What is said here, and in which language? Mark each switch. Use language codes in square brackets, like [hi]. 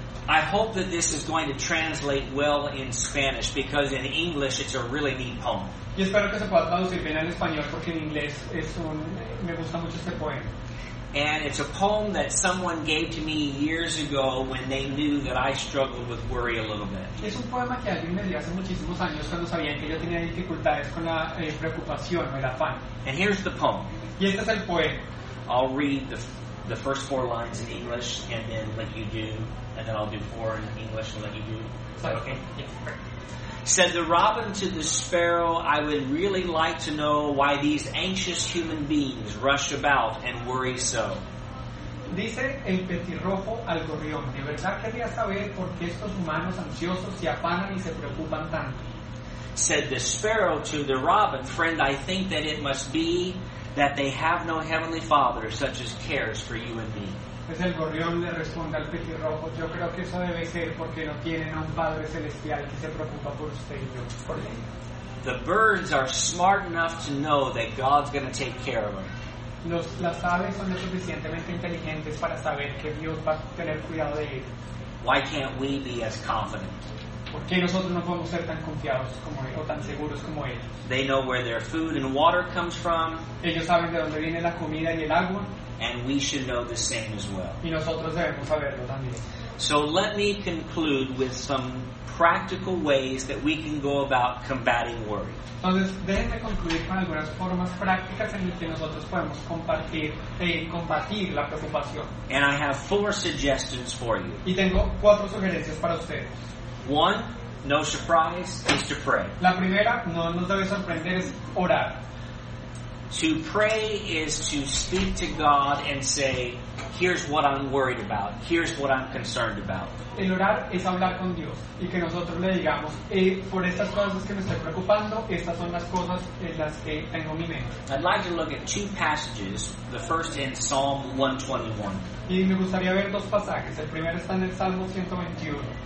[en] I hope that this is going to translate well in Spanish, because in English it's a really neat poem. [es] Y espero que se pueda traducir bien al español, porque en inglés es un me gusta mucho este poema. [en] And it's a poem that someone gave to me years ago when they knew that I struggled with worry a little bit. [es] Es un poema que alguien me dio hace muchísimos años cuando sabían que yo tenía dificultades con la preocupación o el afán. [en] And here's the poem. [es] Y este es el poema. [en] I'll read the first four lines in English and then let you do, and then I'll do four in English and let you do. Is that okay? Yeah. Said the robin to the sparrow, I would really like to know why these anxious human beings rush about and worry so. [es] Dice el petirrojo al gorrión, de verdad quería saber por qué estos humanos ansiosos se afanan y se preocupan tanto. [en] Said the sparrow to the robin, friend, I think that it must be that they have no heavenly father such as cares for you and me. [es] Pues el gorrión le responde al petirrojo, yo creo que eso debe ser porque no tienen a un padre celestial que se preocupa por usted y yo, por él. [en] The birds are smart enough to know that God's going to take care of them. [es] Las aves son lo suficientemente inteligentes para saber que Dios va a tener cuidado de ellos. [en] Why can't we be as confident? [es] ¿Por qué nosotros no podemos ser tan confiados como ellos, o tan seguros como ellos? [en] They know where their food and water comes from. [es] Ellos saben de dónde viene la comida y el agua. [en] And we should know the same as well. [es] Y nosotros debemos saberlo también. [en] So let me conclude with some practical ways that we can go about combating worry. [es] Entonces, déjenme concluir con algunas formas prácticas en las que nosotros podemos combatir la preocupación. [en] And I have four suggestions for you. [es] Y tengo cuatro sugerencias para ustedes. [en] One, no surprise, is to pray. [es] La primera, no nos debe sorprender, es orar. [en] To pray is to speak to God and say, here's what I'm worried about, here's what I'm concerned about. [es] El orar es hablar con Dios y que nosotros le digamos, por estas cosas que me estoy preocupando, estas son las cosas en las que tengo mi mente. [en] I'd like to look at two passages, the first in Psalm 121. [es] Y me gustaría ver dos pasajes. El primero está en el Salmo 121.